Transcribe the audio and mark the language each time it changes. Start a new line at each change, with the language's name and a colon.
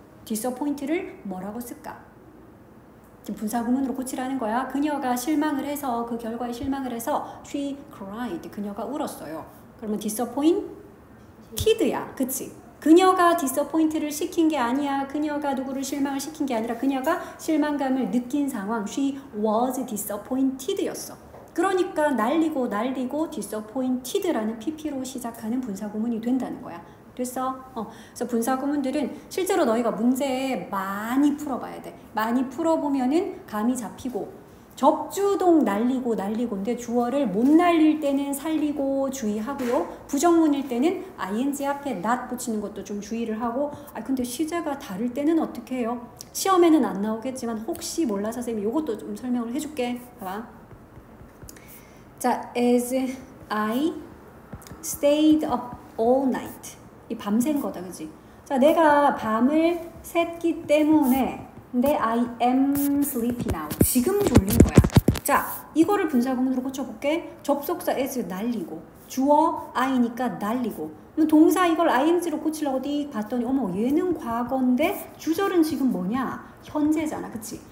Korean: Disappoint를 뭐라고 쓸까? 지금 분사구문으로 고치라는 거야. 그녀가 실망을 해서 그 결과에 실망을 해서
English: She cried.
Korean: 그녀가 울었어요. 그러면 Disappointed야. 그치? 그녀가 Disappoint를 시킨 게 아니야. 그녀가 누구를 실망을 시킨 게 아니라 그녀가 실망감을 느낀 상황.
English: She was Disappointed였어.
Korean: 그러니까 날리고 날리고 disappointed라는 PP로 시작하는 분사구문이 된다는 거야. 됐어? 그래서 분사구문들은 실제로 너희가 문제에 많이 풀어봐야 돼. 많이 풀어보면은 감이 잡히고 접주동 날리고 날리고인데 주어를 못 날릴 때는 살리고 주의하고요. 부정문일 때는 ing 앞에 not 붙이는 것도 좀 주의를 하고 아 근데 시제가 다를 때는 어떻게 해요? 시험에는 안 나오겠지만 혹시 몰라 선생님 이것도 좀 설명을 해줄게. 봐봐.
English: 자, as I stayed up all night.
Korean: 이 밤샌 거다, 그지? 자, 내가 밤을 샜기 때문에 근데
English: I am sleepy now.
Korean: 지금 졸린 거야. 자, 이거를 분사구문으로 고쳐볼게. 접속사 as 날리고 주어 I니까 날리고 동사 이걸 ing로 고치려고 딱 봤더니 어머, 얘는 과거인데 주절은 지금 뭐냐? 현재잖아, 그치?